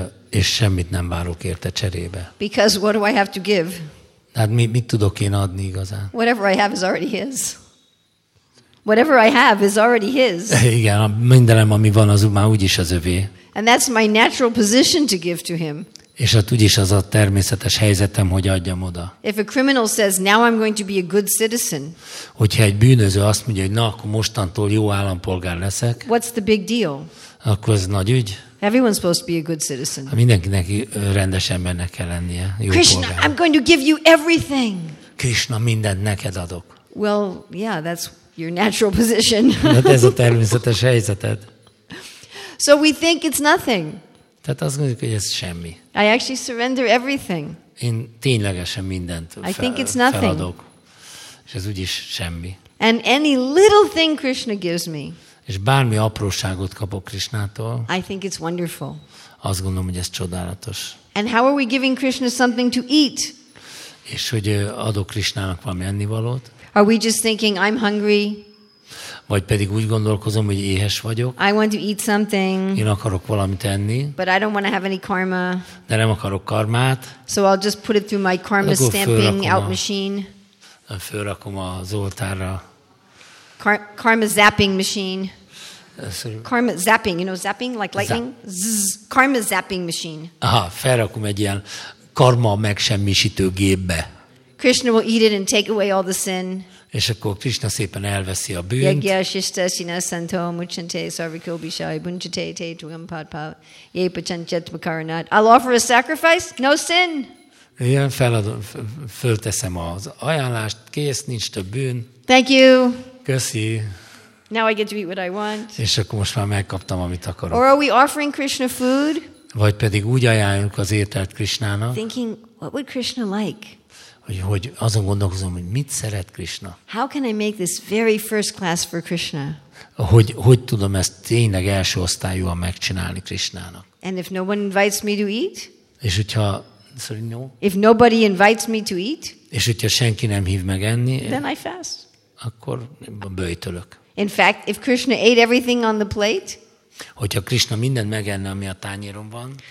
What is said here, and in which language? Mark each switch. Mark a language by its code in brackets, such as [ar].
[hu] És semmit nem várok érte cserébe. [en] Because what do I have to give? [hu] Hát mit tudok én adni igazán? [en] Whatever I have is already his. Whatever I have is already his. [hu] Igen, mindenem, ami van, az már úgyis az övé. [en] And that's my natural position to give to him. [hu] És hát úgyis az a természetes helyzetem, hogy adjam oda. [en] If a criminal says, now I'm going to be a good citizen. [hu] Hogyha egy bűnöző azt mondja, hogy na, akkor mostantól jó állampolgár leszek. [en] What's the big deal? [hu] Akkor ez nagy ügy. [en] Everyone's supposed to be a good citizen. [hu] Mindenkinek rendes embernek kell lennie, jó [en] Krishna, [hu] polgár. [en] I'm going to give you everything. [hu] Krishna, mindent neked adok. [en] Well, yeah, that's your natural position. [hu] Hát ez a természetes helyzeted. [en] So we think it's nothing. [hu] Tehát azt gondoljuk, hogy ez semmi. [en] I actually surrender everything. [hu] Én ténylegesen mindent feladok. [en] I think it's nothing. [hu] És ez úgyis semmi. [en] And any little thing Krishna gives me. [hu] És bármi apróságot kapok Krishnától. [en] I think it's wonderful. [hu] Azt gondolom, hogy ez csodálatos. [en] And how are we giving Krishna something to eat? [hu] És hogy adok Krishnának valami ennivalót? [en] Are we just thinking I'm hungry? [hu] Vagy pedig úgy gondolkozom, hogy éhes vagyok. [en] I want to eat something. [hu] Én akarok valamit enni. [en] But I don't want to have any karma. [hu] De nem akarok karmát. [en] So I'll just put it through my karma stamping out machine. [hu] Fölrakom a zoltárra. [en] Karma zapping machine. Karma zapping, you know, zapping like lightning. Karma zapping machine. [hu] Aha, fölrakom egy ilyen karma megsemmisítő gépbe. [en] Krishna will eat it and take away all the sin. [hu] És akkor Krishna szépen elveszi a bűnt. [sa] Yagya shista sina santo muchante sarvikobi shai bunchate te tuam padpa ye pachanchet bakaranat. [en] I'll offer a sacrifice, no sin. [hu] Igen, fölteszem az ajánlást, kész, nincs több bűn. [en] Thank you. [hu] Köszi. [en] Now I get to eat what I want. [hu] És akkor most már megkaptam, amit akarok. [en] Or are we offering Krishna food? [hu] Vagy pedig úgy ajánljuk az ételt Krishnának. [en] Thinking, what would Krishna like? [hu] Hogy azon gondolkozom, hogy mit szeret Krishna. [en] How can I make this very first class for Krishna? [hu] Hogy tudom ezt tényleg első osztályúan megcsinálni Krishnának? [en] And if no one invites me to eat? [hu] És hogyha, [en] sorry, no. If nobody invites me to eat? [hu] És hogyha senki nem hív meg enni? [en] Then I fast. [hu] Akkor böjtölök. [en] In fact, if Krishna ate everything on the plate? [hu] Hogyha Krishna mindent megenne, ami a tányéron van?